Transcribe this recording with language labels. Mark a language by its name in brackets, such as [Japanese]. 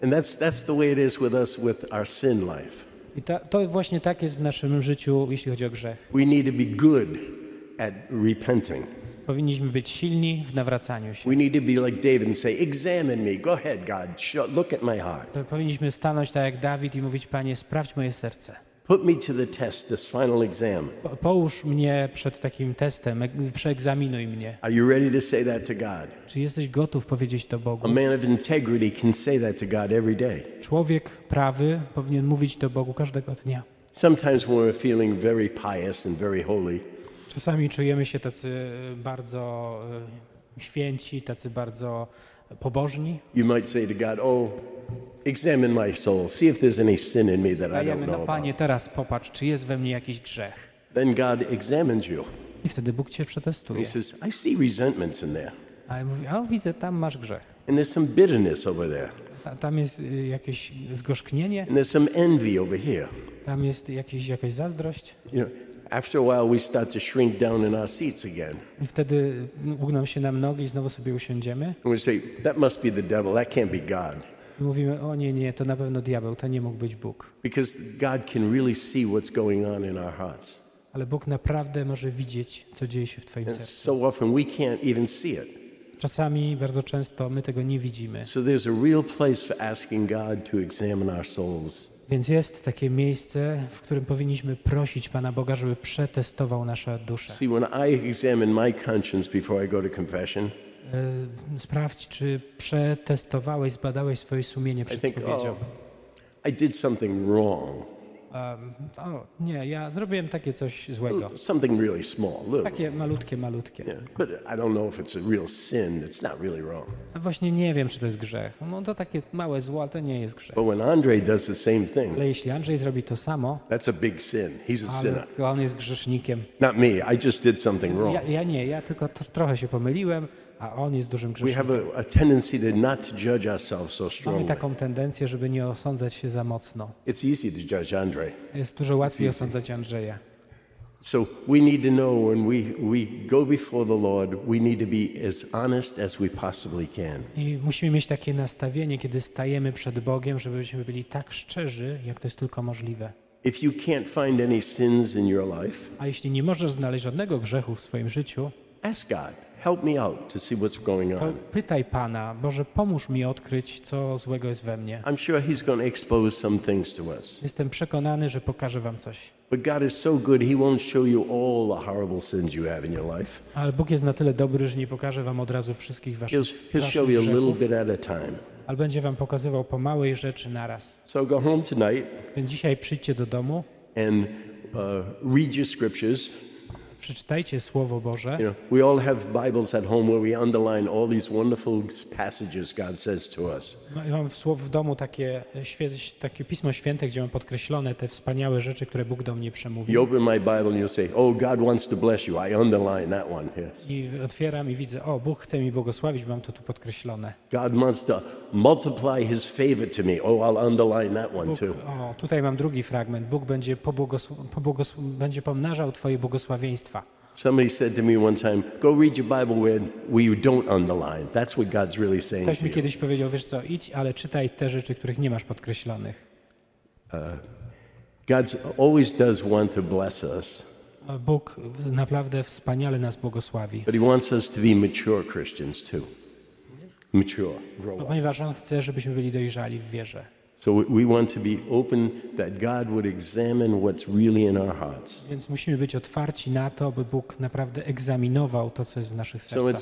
[English] And that's the way it is with us with our sin life. [Polish] I to właśnie tak jest w naszym życiu, jeśli chodzi o grzech. [English] We need to be good at repenting. [Polish] Powinniśmy być silni w nawracaniu się. [English] We need to be like David and say, examine me. Go ahead, God. Look at my heart. [Polish] Powinniśmy stanąć tak jak Dawid i mówić, Panie, sprawdź moje serce. [English] Put me to the test, this final exam. [Polish] Połóż mnie przed takim testem, przeegzaminuj mnie. [English] Are you ready to say that to God? [Polish] Czy jesteś gotów powiedzieć to Bogu? [English] A man of integrity can say that to God every day. [Polish] Człowiek prawy powinien mówić to Bogu każdego dnia. [English] Sometimes when we're feeling very pious and very holy, [Polish] czasami czujemy się tacy bardzo święci, tacy bardzo pobożni. [English] You might say to God, oh, examine my soul, see if there's any sin in me that I don't know about. [Polish] Panie, teraz popatrz, czy jest we mnie jakiś grzech. [English] Then God examines you. [Polish] I wtedy Bóg cię przetestuje. [English] He says, I see resentments in there. [Polish] A ja mówię, widzę, tam masz grzech. [English] And there's some bitterness over there. [Polish] A tam jest jakieś zgorzknienie. [English] And there's some envy over here. [Polish] Tam jest jakaś zazdrość. [English] You know, after a while we start to shrink down in our seats again. [Polish] I wtedy ugną się nam nogi i znowu sobie usiądziemy. [English] And we say, that must be the devil, that can't be God. [Polish] I mówimy, o nie, nie, to na pewno diabeł, to nie mógł być Bóg. [English] Because God can really see what's going on in our hearts. [Polish] Ale Bóg naprawdę może widzieć, co dzieje się w twoim [English] and [Polish] sercu. [English] So often we can't even see it. [Polish] Czasami, bardzo często, my tego nie widzimy. [English] So there's a real place for asking God to examine our souls. [Polish] Więc jest takie miejsce, w którym powinniśmy prosić Pana Boga, żeby przetestował nasze dusze. [English] See, when I examine my conscience before I go to confession, [Polish] sprawdź, czy przetestowałeś, zbadałeś swoje sumienie przed spowiedzią. [English] I did something wrong. [Polish] Nie, ja zrobiłem takie coś złego. [English] Something really small, little. [Polish] Takie malutkie, malutkie. [English] Yeah, but I don't know if it's a real sin. It's not really wrong. [Polish] A właśnie nie wiem, czy to jest grzech. No to takie małe zło, ale to nie jest grzech. [English] But when Andrzej does the same thing. [Polish] Ale jeśli Andrzej zrobi to samo. [English] That's a big sin. He's a sinner. [Polish] To on jest grzesznikiem. [English] Not me. I just did something wrong. [Polish] Ja nie, ja tylko trochę się pomyliłem. A on jest dużym grzesznikiem. [English] We have a tendency to not judge ourselves so strongly. [Polish] Mamy taką tendencję, żeby nie osądzać się za mocno. [English] It's easy to judge Andrzej. [Polish] Jest dużo łatwiej osądzać Andrzeja. [English] So we need to know when we go before the Lord, we need to be as honest as we possibly can. [Polish] I musimy mieć takie nastawienie, kiedy stajemy przed Bogiem, żebyśmy byli tak szczerzy, jak to jest tylko możliwe. [English] If you can't find any sins in your life, [Polish] a jeśli nie możesz znaleźć żadnego grzechu w swoim życiu, [English] ask God, help me out to see what's going on. [Polish] Pytaj Pana, Boże, pomóż mi odkryć, co złego jest we mnie. [English] I'm sure he's going to expose some things to us. [Polish] Jestem przekonany, że pokaże wam coś. [English] But God is so good, he won't show you all the horrible sins you have in your life. [Polish] Ale Bóg jest na tyle dobry, że nie pokaże wam od razu wszystkich waszych strasznych grzechów. [English] He'll show you a little bit at a time. [Polish] Ale będzie wam pokazywał po małej rzeczy naraz. [English] So go home tonight. [Polish] Więc dzisiaj przyjdźcie do domu. [English] And read your scriptures. [Polish] Przeczytajcie Słowo Boże. [English] You know, we all have Bibles at home where we underline all these wonderful passages God says to us. [Polish] Mam w domu takie Pismo Święte, gdzie mam podkreślone te wspaniałe rzeczy, które Bóg do mnie przemówił. [English] You open my Bible and you say, oh, God wants to bless you. I underline that one. Yes. [Polish] I otwieram i widzę, o, Bóg chce mi błogosławić, mam to tu podkreślone. [English] God wants to multiply his favor to me. Oh, I'll underline that one too. [Polish] O, tutaj mam drugi fragment. Bóg będzie będzie pomnażał twoje błogosławieństwo. [English] Somebody said to me one time, go read your Bible where you don't underline. That's what God's really saying to you. [Polish] Ktoś mi kiedyś powiedział, wiesz co, idź, ale czytaj te rzeczy, których nie masz podkreślonych. [English] God always does want to bless us. [Polish] Bóg naprawdę wspaniale nas błogosławi. [English] But he wants us to be mature Christians too. Mature, grow up. [Polish] Ponieważ on chce, żebyśmy byli dojrzali w wierze. [English] So we want to be open that God would examine what's really in our hearts. [Polish] Więc musimy być otwarci na to, by Bóg naprawdę egzaminował to, co jest w naszych sercach.